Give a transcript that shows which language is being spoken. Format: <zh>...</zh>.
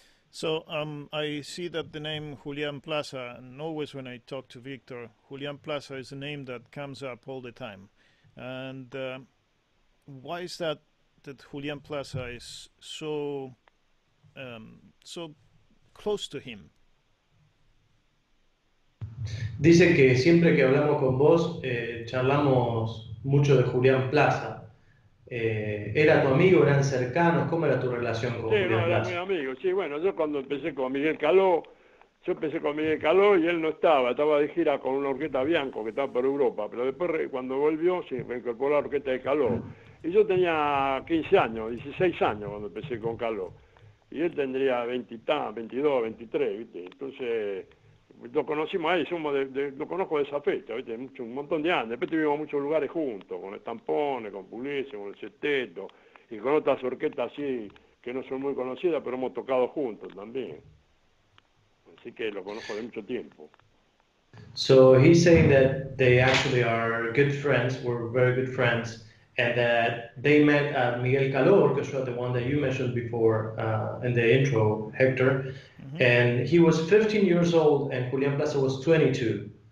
<en>So I see that the name Julián Plaza, and always when I talk to Victor, Julián Plaza is a name that comes up all the time. And why is that Julián Plaza is so so close to him?</en> <es>Dice que siempre que hablamos con vos, charlamos mucho de Julián Plaza. ¿Era tu amigo? ¿Eran cercanos? ¿Cómo era tu relación con Sí, no, Julián era mi Blas? amigo. Sí, bueno, yo cuando empecé con Miguel Caló, yo empecé con Miguel Caló y él no estaba, estaba de gira con una orquesta Bianco que estaba por Europa, pero después cuando volvió se reincorporó a la orquesta de Caló. Y yo tenía 15 años, 16 años cuando empecé con Caló. Y él tendría 20, 22, 23, ¿viste? Entonces, lo conocimos ahí, somos lo conozco de esa fecha, ¿viste? Un montón de años. Después tuvimos muchos lugares juntos, con Estampones, con Pugliese, con el Sesteto y con otras orquestas así que no son muy conocidas, pero hemos tocado juntos también. Así que lo conozco de mucho tiempo.</es> <en>So he's saying that they actually are good friends, were very good friends, and that they met at Miguel Caló Orchestra, the one that you mentioned before in the intro, Hector. And he was 15 years old, and Julián Plaza was 22.</en>